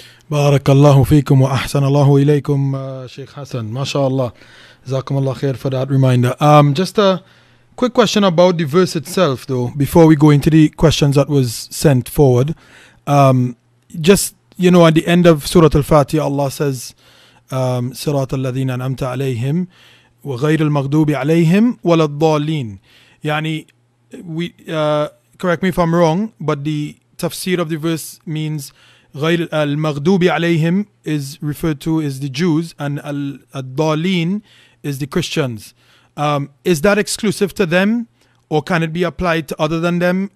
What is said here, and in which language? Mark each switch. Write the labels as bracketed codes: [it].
[ar] بارك الله فيكم وأحسن الله إليكم شيخ حسن ما شاء الله جزاكم الله خير [en] for that reminder. Just a quick question about the verse itself though before we go into the questions that was sent forward. Just you know at the end of [ar] سورة الفاتحة [en] Allah says [ar] صراط الذين أنعمت عليهم وغير المغضوب عليهم ولا الضالين. يعني [en] we correct me if I'm wrong, but the tafsir of the verse means [ar] غير المغضوبي عليهم [en] is referred to as the Jews and [ar] الضالين [en] is the Christians. Is that exclusive to them or can it be applied to other than them?